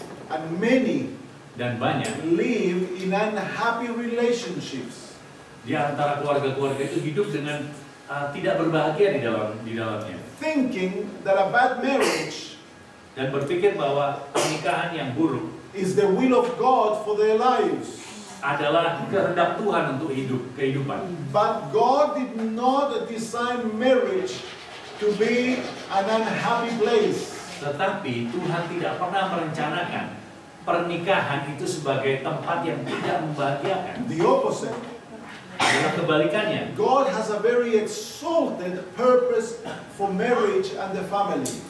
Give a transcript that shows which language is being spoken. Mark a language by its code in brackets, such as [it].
[en] And many, [id] dan banyak, [en] live in unhappy relationships. [id] Di antara keluarga-keluarga itu hidup dengan tidak berbahagia di dalamnya. [en] Thinking that a bad marriage, [id] dan berpikir bahwa pernikahan yang buruk, [en] is the will of God for their lives. [id] Adalah kehendak Tuhan untuk hidup kehidupan. [en] But God did not design marriage to be an unhappy place. [id] Tetapi Tuhan tidak pernah merencanakan pernikahan itu sebagai tempat yang tidak membahagiakan. [en] The opposite. [id] Adalah kebalikannya. [en] God has a very exalted purpose for marriage and the family.